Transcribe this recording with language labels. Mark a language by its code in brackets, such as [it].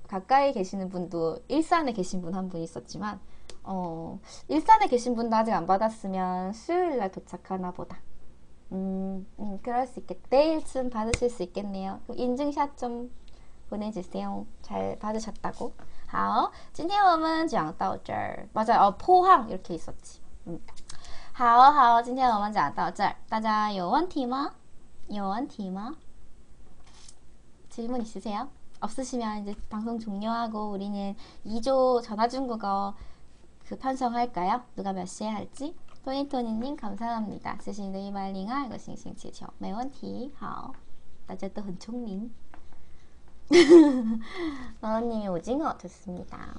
[ko] 가까이 계시는 분도 일산에 계신 분한분 있었지만 일산에 계신 분도 아직 안 받았으면 수요일 날 도착하나 보다. 그럴 수 있겠. 내일쯤 받으실 수 있겠네요. 그럼 인증샷 좀 보내주세요. 잘 받으셨다고. [zh] 好，今天我们讲到这儿， [ko] 맞아요，포항이렇게있었지。 [zh] 好，今天我们讲到这儿，大家有问题吗？有问题吗？ [ko] 질문있으세요？ 없으시면이제방송종료하고우리는2조 전화중국어그편성할까요？ 누가몇시에할지？ 토니토니님감사합니다， [zh] 谢谢你的一百零二个星星气球，没问题，好，大家都很聪明。 [ko] 마오님이 오징어 좋습니다.